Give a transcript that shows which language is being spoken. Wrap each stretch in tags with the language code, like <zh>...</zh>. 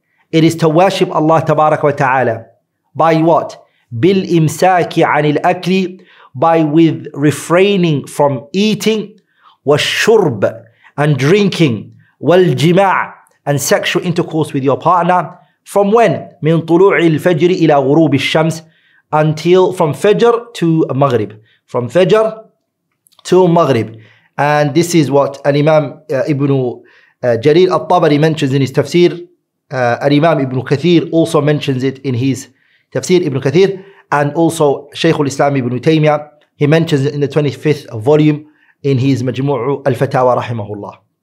<en>It is to worship Allah tabarak wa ta'ala. By what?</en> <ar>Bil imsaki anil akli.</ar> <en>By with refraining from eating,</en> <ar>والشرب</ar> <en>and drinking,</en> <ar>والجماع</ar> <en>and sexual intercourse with your partner, from when?</en> <ar>من طلوع الفجر إلى غروب الشمس,</ar> <en>until from Fajr to Maghrib. From Fajr to Maghrib. And this is what Al-Imam Ibn Jarir Al-Tabari mentions in his tafsir. Al-Imam Ibn Kathir also mentions it in his tafsir, Ibn Kathir. And also Shaykh al-Islam ibn Taymiyyah, he mentions it in the 25th volume in his Majmu'u al-Fatawa rahimahullah.</en>